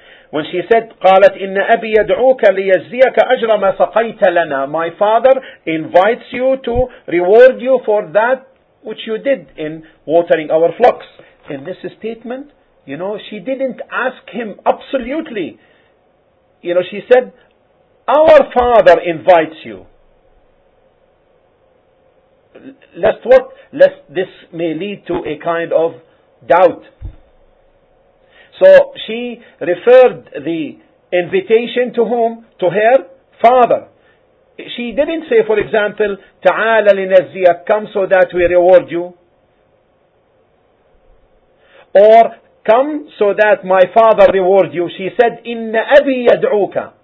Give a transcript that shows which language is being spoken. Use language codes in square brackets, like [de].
[en] When she said, [ar] قالت إن أبي يدعوك ليجزيك أجر ما سقيت لنا. [en] My father invites you to reward you for that which you did in watering our flocks. In this statement, she didn't ask him absolutely. She said, our father invites you. Lest this may lead to a kind of doubt. So she referred the invitation to whom? To her father. She didn't say, for example, [ar] تعال لنزيك, [en] come so that we reward you. Or come so that my father reward you. She said, [ar] إن أبي يدعوك.